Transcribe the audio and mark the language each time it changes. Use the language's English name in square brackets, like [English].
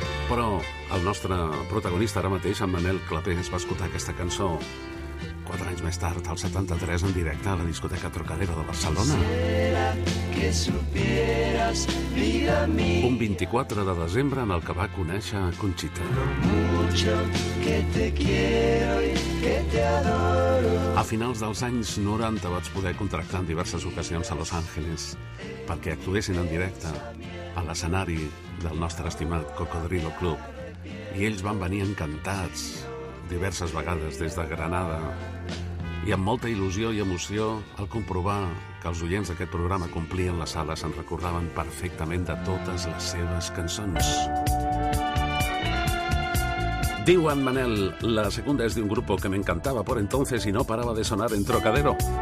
[Catalan] Però el nostre protagonista ara mateix, en Manel Clapés, va escoltar aquesta cançó 4 anys més tard, al 73, en directe a la discoteca Trocadero de Barcelona. [Spanish] Que supieras, vida mía. [Catalan] Un 24 de desembre en el que va conèixer Conchita. [Spanish] Mucho que te quiero y que te adoro. [Catalan] A finals dels anys 90 vaig poder contractar en diverses ocasions a Los Ángeles perquè actuessin en directe a l'escenari del nostre estimat Cocodrilo Club. I ells van venir encantats diverses vegades des de Granada i amb molta il·lusió i emoció al comprovar que els oients d'aquest programa complien la sala se'n recordaven perfectament de totes les seves cançons. Diu en Manel, [Spanish] la segunda es de un grupo que me encantaba por entonces y no paraba de sonar en Trocadero.